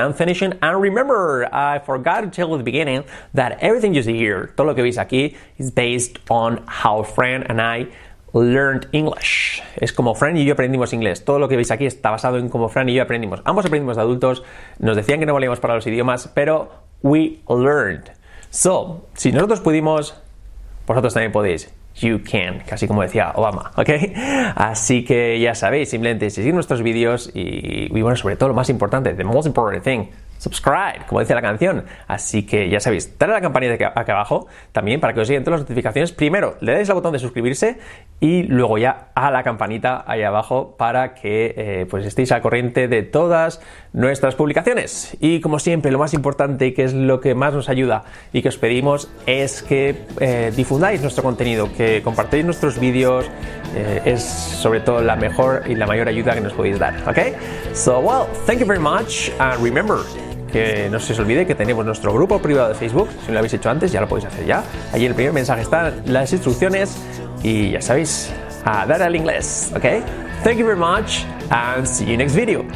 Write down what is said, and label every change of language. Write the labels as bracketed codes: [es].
[en] And remember, I forgot to tell you at the beginning that everything you see here, [es] todo lo que veis aquí, [en] is based on how Fran and I learned English. [es] Es como Fran y yo aprendimos inglés. Todo lo que veis aquí está basado en cómo Fran y yo aprendimos. Ambos aprendimos de adultos. Nos decían que no valíamos para los idiomas, pero [en] we learned. [es] So, si nosotros pudimos, vosotros también podéis. [en] You can, [es] casi como decía Obama, ¿ok? Así que ya sabéis, simplemente seguir nuestros vídeos y bueno, sobre todo lo más importante, [en] the most important thing, [es] subscribe, como dice la canción. Así que ya sabéis, darle a la campanita acá abajo también para que os lleguen todas las notificaciones. Primero, le dais al botón de suscribirse y luego ya a la campanita ahí abajo para que pues estéis al corriente de todas nuestras publicaciones. Y como siempre, lo más importante, que es lo que más nos ayuda y que os pedimos, es que difundáis nuestro contenido, que compartáis nuestros vídeos. Es sobre todo la mejor y la mayor ayuda que nos podéis dar, ¿ok? [en] So, well, thank you very much, and remember, [es] que no se os olvide que tenemos nuestro grupo privado de Facebook. Si no lo habéis hecho antes, ya lo podéis hacer ya. Allí el primer mensaje está, las instrucciones, y ya sabéis, a dar al inglés, ¿ok? [en] Thank you very much, and see you next video.